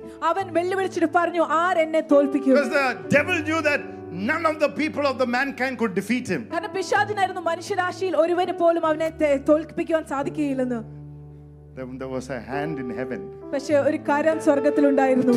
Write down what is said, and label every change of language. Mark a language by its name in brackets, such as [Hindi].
[Malayalam] അവൻ വെല്ലുവിളിച്ചിട്ട് പറഞ്ഞു ആർ എന്നെ തോൽപ്പിക്കും [English] Because the devil knew that none of the people of the mankind could defeat him [Malayalam] കാരണം പിശാചിനായിരുന്നു മനുഷ്യരാശിയിൽ ഒരുവനെ പോലും അവനെ തോൽപ്പിക്കാൻ സാധിക്കില്ലെന്ന് [English] There was a hand in heaven [Malayalam] പക്ഷേ ഒരു കരം സ്വർഗ്ഗത്തിൽ ഉണ്ടായിരുന്നു